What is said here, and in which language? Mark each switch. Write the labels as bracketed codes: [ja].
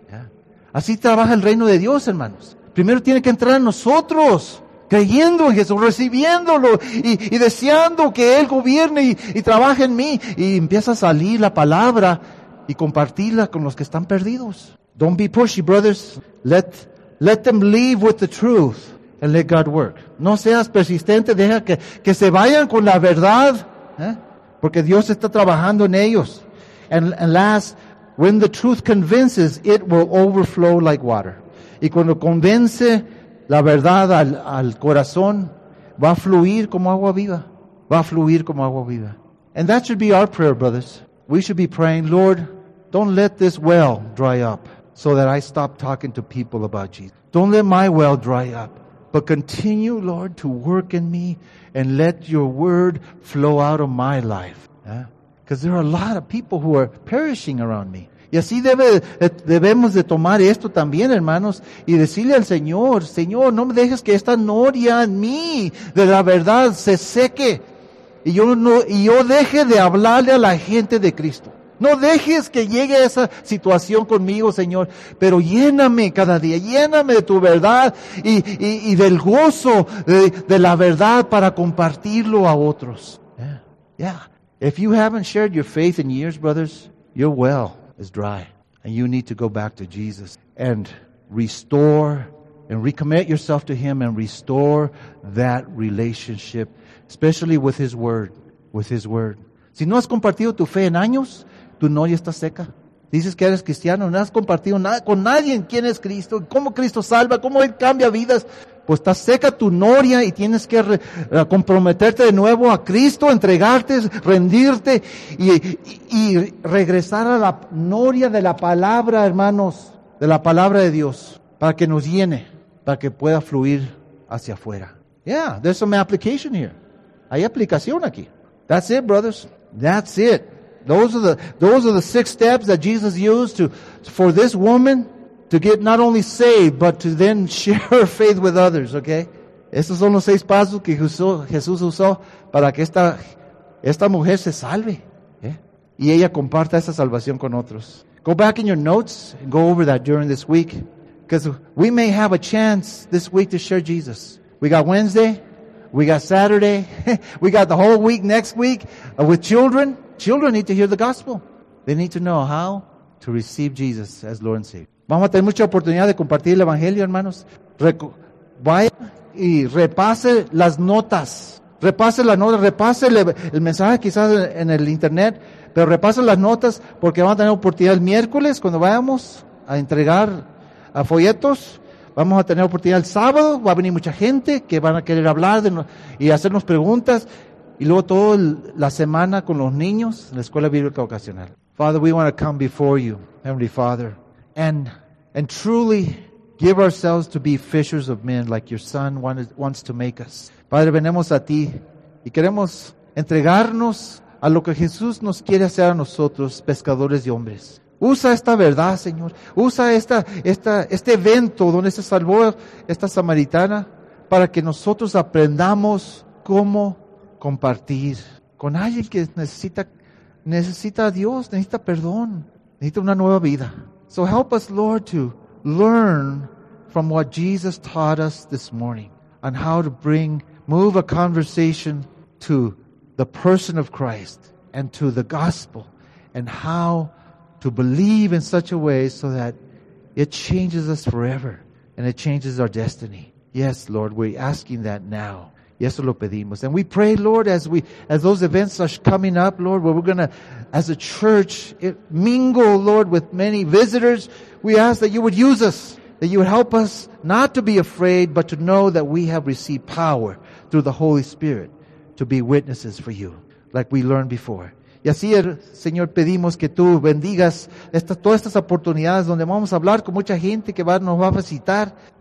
[es] Yeah. Así trabaja el reino de Dios, hermanos. Primero tiene que entrar en nosotros, creyendo en Jesús, recibiéndolo y deseando que Él gobierne y trabaje en mí. Y empieza a salir la palabra y compartirla con los que están perdidos. [en] Don't be pushy, brothers. Let them leave with the truth and let God work. [es] No seas persistente, deja que se vayan con la verdad, porque Dios está trabajando en ellos. [en] And last, when the truth convinces, it will overflow like water. [es] Y cuando convence la verdad al corazón, va a fluir como agua viva. Va a fluir como agua viva. [en] And that should be our prayer, brothers. We should be praying, Lord, don't let this well dry up. So that I stop talking to people about Jesus. Don't let my well dry up. But continue, Lord, to work in me and let your word flow out of my life. Because there are a lot of people who are perishing around me. [es] Y así debemos de tomar esto también, hermanos, y decirle al Señor, Señor, no me dejes que esta noria en mí de la verdad se seque. Y yo deje de hablarle a la gente de Cristo. No dejes que llegue a esa situación conmigo, Señor, pero lléname cada día, lléname de tu verdad y del gozo de la verdad para compartirlo a otros. Yeah. Yeah. [en] If you haven't shared your faith in years, brothers, your well is dry and you need to go back to Jesus and restore and recommit yourself to Him and restore that relationship, especially with His Word, with His Word. [es] Si no has compartido tu fe en años, tu noria está seca. Dices que eres cristiano, no has compartido nada con nadie en quién es Cristo, cómo Cristo salva, cómo Él cambia vidas. Pues está seca tu noria y tienes que comprometerte de nuevo a Cristo, entregarte, rendirte y regresar a la noria de la palabra, hermanos, de la palabra de Dios, para que nos llene, para que pueda fluir hacia afuera. [en] Yeah, there's some application here. [es] Hay aplicación aquí. [en] That's it, brothers. That's it. Those are the six steps that Jesus used for this woman to get not only saved, but to then share her faith with others, okay? [es] Esos son los seis pasos que Jesús usó para que esta mujer se salve, y ella comparta esa salvación con otros. [en] Go back in your notes and go over that during this week, because we may have a chance this week to share Jesus. We got Wednesday, we got Saturday, we got the whole week next week with children. Children need to hear the gospel. They need to know how to receive Jesus as Lord and Savior. [es] Vamos a tener mucha oportunidad de compartir el evangelio, hermanos. Vaya y repase las notas. Repase las notas, repase el mensaje quizás en el internet, pero repase las notas porque vamos a tener oportunidad el miércoles cuando vayamos a entregar a folletos. Vamos a tener oportunidad el sábado, va a venir mucha gente que van a querer hablar y hacernos preguntas. Y luego toda la semana con los niños en la escuela bíblica ocasional. [en] Father, we want to come before you, Heavenly Father, and truly give ourselves to be fishers of men like your Son wants to make us. [es] Padre, venimos a ti y queremos entregarnos a lo que Jesús nos quiere hacer a nosotros, pescadores de hombres. Usa esta verdad, Señor. Usa este evento donde se salvó esta samaritana para que nosotros aprendamos cómo compartir con alguien que necesita a Dios, necesita perdón, necesita una nueva vida. [en] So help us, Lord, to learn from what Jesus taught us this morning on how to move a conversation to the person of Christ and to the gospel, and how to believe in such a way so that it changes us forever and it changes our destiny. Yes, Lord, we're asking that now. Yes, [es] lo pedimos. [en] And we pray, Lord, as those events are coming up, Lord, where we're going to, as a church, mingle, Lord, with many visitors, we ask that you would use us, that you would help us not to be afraid, but to know that we have received power through the Holy Spirit to be witnesses for you, like we learned before. [es] Y así, Señor, pedimos que tú bendigas todas estas oportunidades donde vamos a hablar con mucha gente que nos va a visitar.